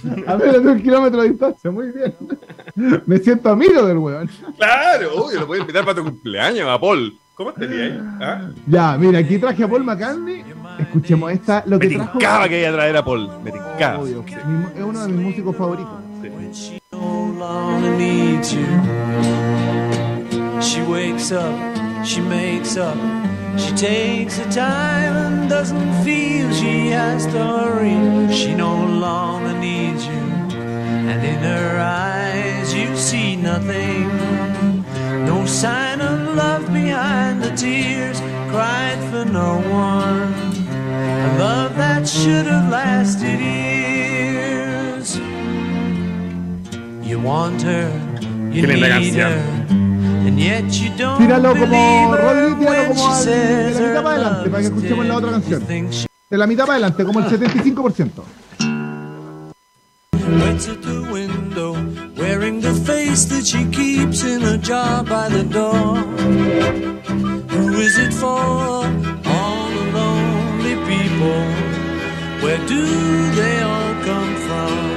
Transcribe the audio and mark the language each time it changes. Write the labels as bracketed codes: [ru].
[es] A menos de un kilómetro de distancia, muy bien. Me siento amigo del weón. Claro, uy, lo voy a invitar para tu cumpleaños, a Paul. ¿Cómo estaría ahí? ¿Ah? Ya, mira, aquí traje a Paul McCartney. Escuchemos esta. Lo me que tincaba trajo... que iba a traer a Paul. Me tincaba. Sí. Es uno de mis músicos favoritos. Sí. [en] She wakes up, she makes up, she takes her time and doesn't feel she has to hurry. She no longer needs you, and in her eyes you see nothing. No sign of love behind the tears cried for no one. A love that should have lasted years. You want her, you need her. And yet you don't. [es] Tíralo como Rolly, tíralo como de la mitad para adelante, para que escuchemos la otra canción. De la mitad para adelante, como el 75%. [en] Went to the window, wearing the face that she keeps in a jar by the door. Who is it for? All the lonely people. Where do they all come from?